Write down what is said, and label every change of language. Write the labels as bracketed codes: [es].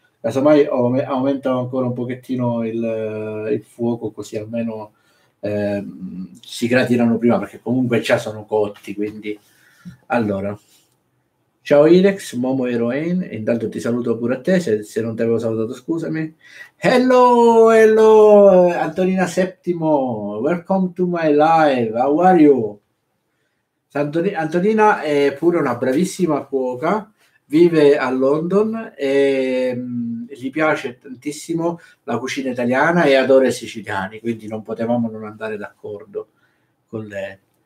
[it] Casomai aumenta ancora un pochettino il fuoco, così almeno si gratinano prima, perché comunque già sono cotti, quindi allora. Ciao Irex, Momo Heroine, intanto ti saluto pure a te, se non ti avevo salutato scusami. [en] Hello, hello, Antonina Settimo, welcome to my live, how are you? [it] Antonina è pure una bravissima cuoca, vive a London e gli piace tantissimo la cucina italiana e adora i siciliani, quindi non potevamo non andare d'accordo con lei.